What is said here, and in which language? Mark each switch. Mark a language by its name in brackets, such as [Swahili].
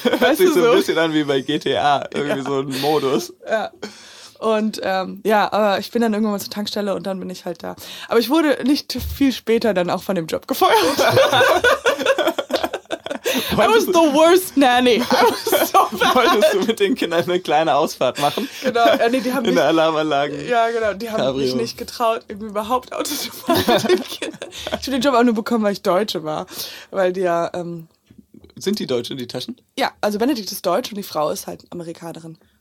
[German] Weißt Hört du sich so ein bisschen an wie bei GTA, irgendwie ja. So ein Modus. Ja. Und aber ich bin dann irgendwann mal zur Tankstelle und dann bin ich halt da. Aber ich wurde nicht viel später dann auch von dem Job gefeuert. [English] I was the worst nanny. I was so bad. [German] Wolltest du mit den Kindern eine kleine Ausfahrt machen? Genau. Nee, die haben in der Alarmanlage. Ja, genau. Die haben Cabrio. Mich nicht getraut, irgendwie überhaupt Auto zu fahren. Ich habe den Job auch nur bekommen, weil ich Deutsche war. Weil die ja... Sind die Deutsche in die Taschen? Ja, also Benedikt ist Deutsch und die Frau ist halt Amerikanerin.